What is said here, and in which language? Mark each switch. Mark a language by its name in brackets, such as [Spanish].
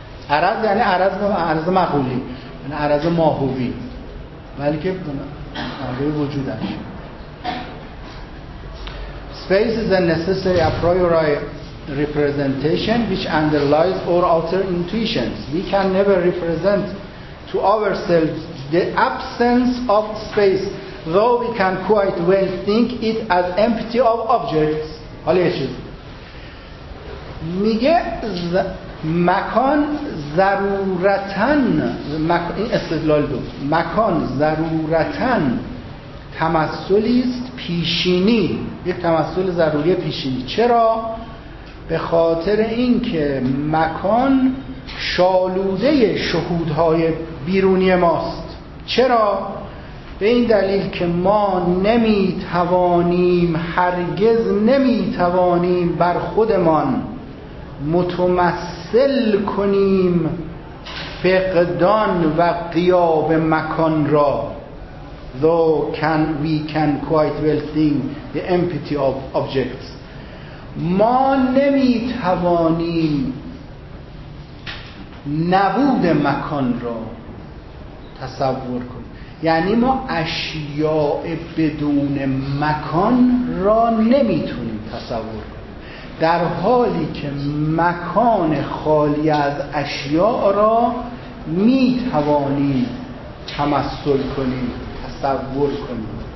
[Persian] عرض یعنی عرض عرض مقولی، یعنی عرض ماهوی، بلکه نحوه وجودش. [English] Space is a necessary a priori representation which underlies our outer intuitions. We can never represent to ourselves the absence of space, though we can quite well think it as empty of objects. [Persian] حالا یه چیز میگه مکان ضرورتاً این استدلال دو، مکان ضرورتاً تمثلی است پیشینی، یک تمثل ضروری پیشینی. چرا؟ به خاطر اینکه مکان شالوده شهودهای بیرونی ماست. چرا؟ به این دلیل که ما نمیتوانیم، هرگز نمیتوانیم بر خودمان متمثل کنیم فقدان و غیاب مکان را. [English] Though we can quite well think the empty of objects. [Persian] ما نمیتوانیم نبود مکان را تصور کنیم، یعنی ما اشیاء بدون مکان را نمیتونیم تصور کنیم، در حالی که مکان خالی از اشیاء را میتوانیم تمثل کنیم، تصور کنیم.